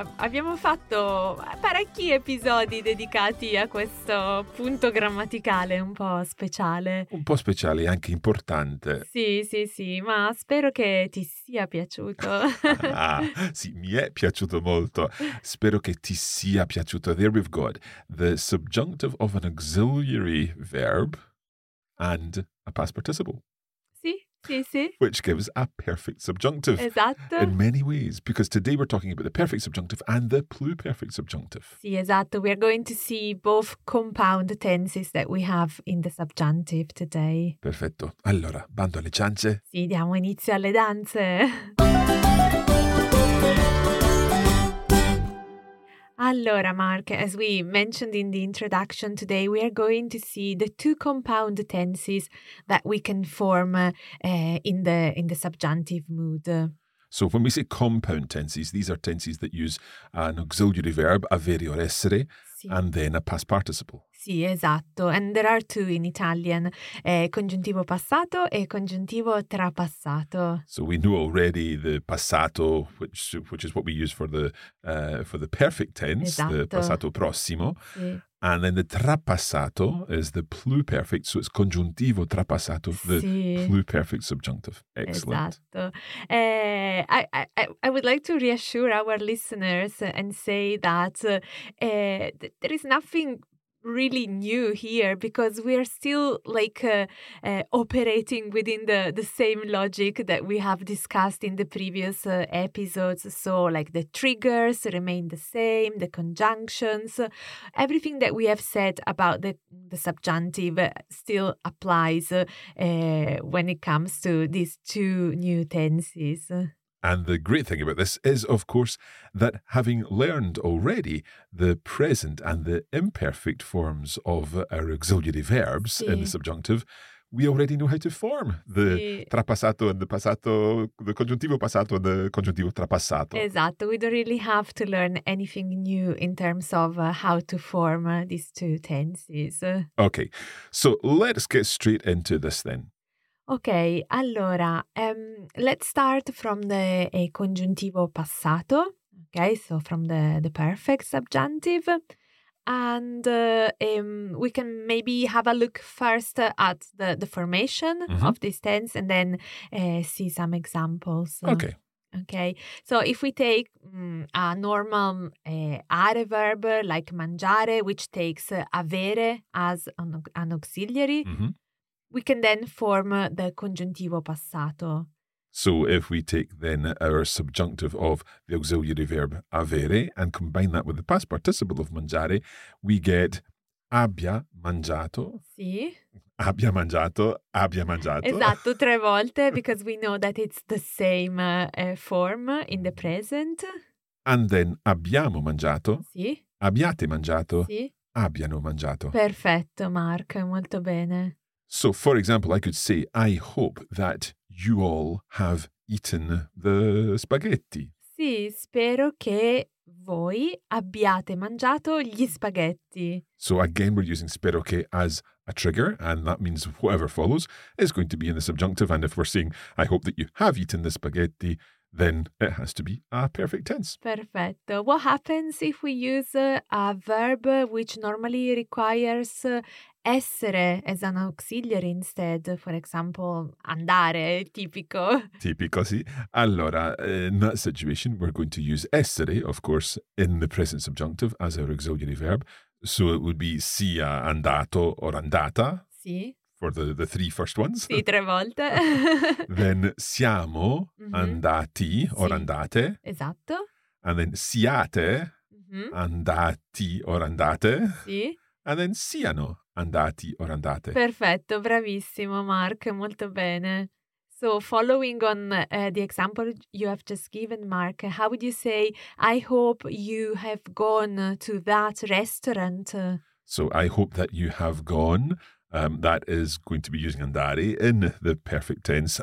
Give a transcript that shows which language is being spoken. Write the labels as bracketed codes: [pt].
[it] Abbiamo fatto parecchi episodi dedicati a questo punto grammaticale un po' speciale. Un po' speciale e anche importante. Sì, sì, sì. Ma spero che ti sia piaciuto. Sì, mi è piaciuto molto. Spero che ti sia piaciuto. [en] There we've got the subjunctive of an auxiliary verb and a past participle. [it] Sì, sì. [en] Which gives a perfect subjunctive. [it] Esatto. [en] In many ways, because today we're talking about the perfect subjunctive and the pluperfect subjunctive. [it] Sì, esatto. [en] We're going to see both compound tenses that we have in the subjunctive today. [it] Perfetto. Allora, bando alle ciance. Sì, diamo inizio alle danze. [en] Allora, Mark, as we mentioned in the introduction today, we are going to see the two compound tenses that we can form in the subjunctive mood. So when we say compound tenses, these are tenses that use an auxiliary verb, avere or essere, sì, and then a past participle. [it] Sì, esatto. [en] And there are two in Italian, congiuntivo passato e congiuntivo trapassato. So we knew already the passato, which is what we use for the perfect tense, [it] esatto, the passato prossimo. Sì. [en] And then the trapassato is the pluperfect, so it's congiuntivo trapassato, the [it] sì, [en] pluperfect subjunctive. Excellent. [it] Esatto. [en] I would like to reassure our listeners and say that there is nothing really new here, because we are still operating within the same logic that we have discussed in the previous episodes. So like the triggers remain the same, the conjunctions, everything that we have said about the subjunctive still applies when it comes to these two new tenses. And the great thing about this is, of course, that having learned already the present and the imperfect forms of our auxiliary verbs, sì, in the subjunctive, we already know how to form the sì, trapassato and the passato, the congiuntivo passato and the congiuntivo trapassato. [it] Esatto. [en] We don't really have to learn anything new in terms of how to form these two tenses. Okay. So let's get straight into this then. Okay, allora, let's start from the congiuntivo passato, okay, so from the perfect subjunctive, and we can maybe have a look first at the formation, mm-hmm, of this tense and then see some examples. Okay. Okay, so if we take a normal are verb like mangiare, which takes avere as an auxiliary, mm-hmm, we can then form the congiuntivo passato. So if we take then our subjunctive of the auxiliary verb avere and combine that with the past participle of mangiare, we get abbia mangiato. [it] Sì. Abbia mangiato, abbia mangiato. Esatto, tre volte, [en] because we know that it's the same form in the present. And then abbiamo mangiato. [it] Sì. Abbiate mangiato. Sì. Abbiano mangiato. Perfetto, Mark, molto bene. [en] So, for example, I could say, I hope that you all have eaten the spaghetti. [it] Sì, spero che voi abbiate mangiato gli spaghetti. [en] So again we're using spero che as a trigger, and that means whatever follows is going to be in the subjunctive. And if we're saying I hope that you have eaten the spaghetti, then it has to be a perfect tense. [it] Perfetto. [en] What happens if we use a verb which normally requires essere as an auxiliary instead? For example, andare, tipico. [it] Tipico, sì. [en] Allora, in that situation, we're going to use essere, of course, in the present subjunctive as our auxiliary verb. So it would be sia andato or andata. [it] Sì. [en] For the three first ones. [it] Sì, tre volte. [en] Then siamo andati or andate. [it] Esatto. [en] And then siate andati or andate. [it] Sì. [en] And then siano andati or andate. [it] Perfetto, bravissimo Mark, molto bene. [en] So following on the example you have just given, Mark, how would you say, I hope you have gone to that restaurant? So I hope that you have gone. That is going to be using andare in the perfect tense.